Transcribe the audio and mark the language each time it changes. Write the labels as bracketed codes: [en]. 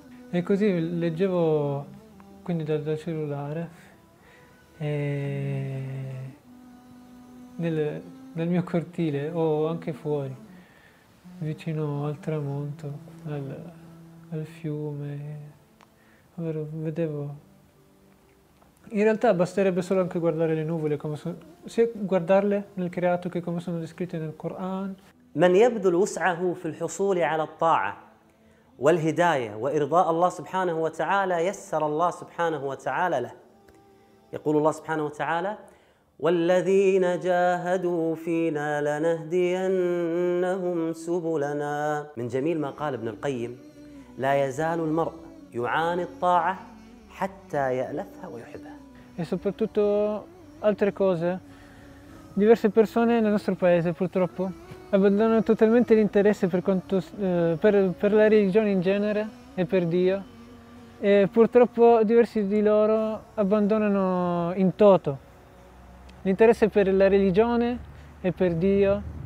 [it] E così leggevo quindi dal cellulare, nel mio cortile o anche fuori, vicino al tramonto, al fiume. Vedevo. In realtà basterebbe solo anche guardare le nuvole, sia guardarle nel creato che come sono descritte nel Corano. [ar] من يبذل وسعه في الحصول على الطاعة والهداية وإرضاء الله سبحانه وتعالى يسر الله سبحانه وتعالى له. يقول الله سبحانه وتعالى: والذين جاهدوا فينا لنهدينهم سبلنا. من جميل ما قال ابن القيم: لا يزال المرء يعاني الطاعة حتى يألفها ويحبها. [it] E soprattutto altre cose, diverse persone nel nostro paese purtroppo abbandonano totalmente l'interesse per la religione in genere e per Dio, e purtroppo diversi di loro abbandonano in toto l'interesse per la religione e per Dio,